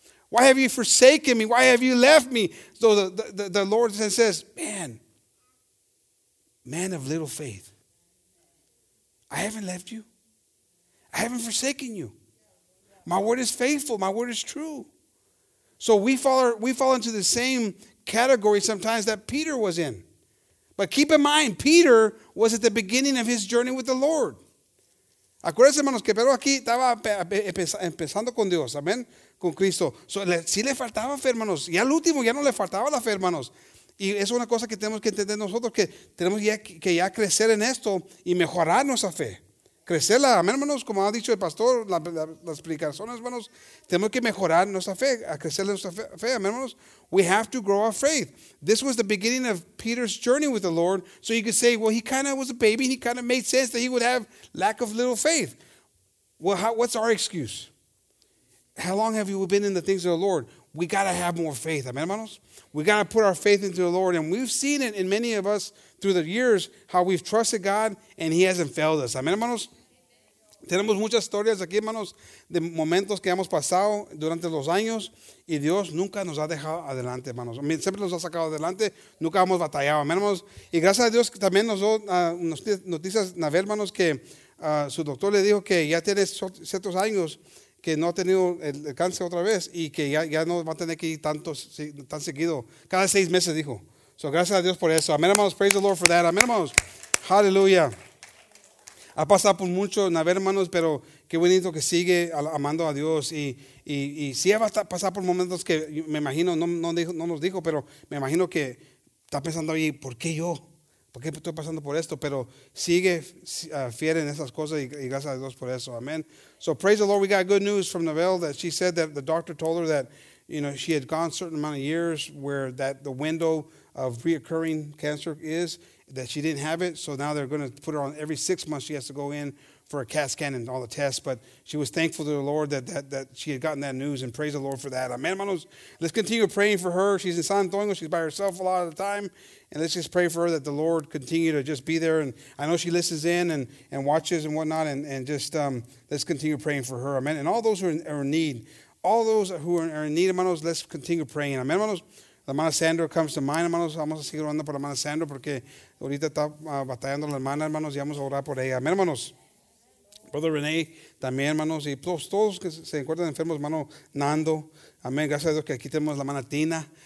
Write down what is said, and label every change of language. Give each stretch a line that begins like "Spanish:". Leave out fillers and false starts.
English: Why have you forsaken me? Why have you left me? So the Lord says, man of little faith, I haven't left you. I haven't forsaken you. My word is faithful. My word is true. So we fall into the same category sometimes that Peter was in. But keep in mind, Peter was at the beginning of his journey with the Lord.
Spanish: Acuérdense, hermanos, que Pedro aquí estaba empezando con Dios, amén, con Cristo. So sí le faltaba fe, hermanos. Y al último ya no le faltaba la fe, hermanos. Y es una cosa que tenemos que entender nosotros, que tenemos que ya crecer en esto y mejorar nuestra fe. Crecerla, hermanos, como ha dicho el pastor, las explicaciones, hermanos, tenemos que mejorar nuestra fe, a crecer nuestra fe, hermanos.
English: We have to grow our faith. This was the beginning of Peter's journey with the Lord, so you could say, well, he kind of was a baby, and he kind of made sense that he would have lack of little faith. Well, what's our excuse? How long have you been in the things of the Lord? We got to have more faith, hermanos. We got to put our faith into the Lord, and we've seen it in many of us through the years, how we've trusted God and he hasn't failed us.
Spanish: Amén, hermanos. Tenemos muchas historias aquí, hermanos, de momentos que hemos pasado durante los años y Dios nunca nos ha dejado adelante, hermanos. Siempre nos ha sacado adelante, nunca hemos batallado. Amén, hermanos. Y gracias a Dios también nos dio noticias, Navel, hermanos, que su doctor le dijo que ya tiene ciertos años que no ha tenido el cáncer otra vez y que ya no va a tener que ir tan seguido. Cada 6 meses, dijo. So, gracias a Dios por eso. Amén, hermanos.
English: Praise the Lord for that.
Spanish: Amén, hermanos. Hallelujah. Ha pasado por mucho, Navel, hermanos, pero qué bonito que sigue amando a Dios. Y sí va a pasar por momentos que me imagino, no nos dijo, pero me imagino que está pensando ahí, ¿por qué yo? ¿Por qué estoy pasando por esto? Pero sigue fiel en esas cosas y gracias a Dios por eso.
English: Amén. So, praise the Lord. We got good news from Navel that she said that the doctor told her that, you know, she had gone a certain amount of years where that the window of reoccurring cancer is that she didn't have it. So now they're going to put her on every 6 months. She has to go in for a CAT scan and all the tests. But she was thankful to the Lord that she had gotten that news, and praise the Lord for that. Amen, hermanos. Let's continue praying for her. She's in San Antonio. She's by herself a lot of the time. And let's just pray for her that the Lord continue to just be there. And I know she listens in and watches and whatnot. And just let's continue praying for her. Amen. And all those who are in need, all those who are in need, hermanos, let's continue praying. Amen, hermanos. La hermana Sandra comes to mind, hermanos.
Spanish: Vamos a seguir orando por la hermana Sandra porque ahorita está batallando la hermana, hermanos, y vamos a orar por ella. Amén, hermanos. Brother René, también, hermanos. Y todos que se encuentran enfermos, hermano Nando. Amén. Gracias a Dios que aquí tenemos la hermana Tina.